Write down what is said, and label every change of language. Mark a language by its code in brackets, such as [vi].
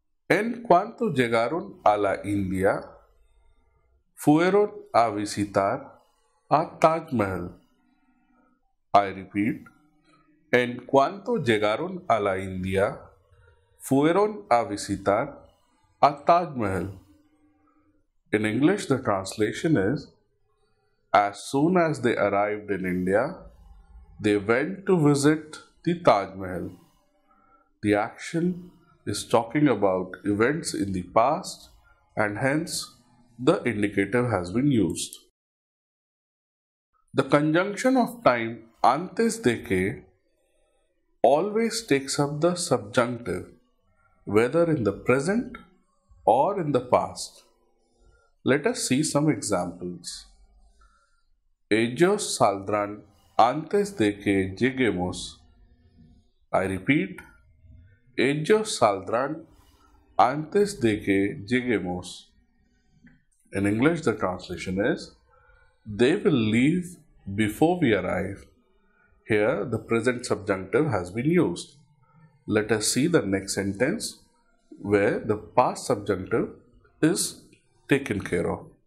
[es] En cuanto llegaron a la India, fueron a visitar a Taj Mahal. [en] I repeat, [es] en cuanto llegaron a la India, fueron a visitar a Taj Mahal. [en] In English, the translation is, as soon as they arrived in India, they went to visit the Taj Mahal. The action is talking about events in the past and hence the indicative has been used. The conjunction of time antes de que always takes up the subjunctive, whether in the present or in the past. Let us see some examples. [es] Ellos saldrán antes de que lleguemos. [en] I repeat, [es] ellos saldrán antes de que lleguemos. [en] In English, the translation is, they will leave before we arrive. Here, the present subjunctive has been used. Let us see the next sentence where the past subjunctive is taken care of.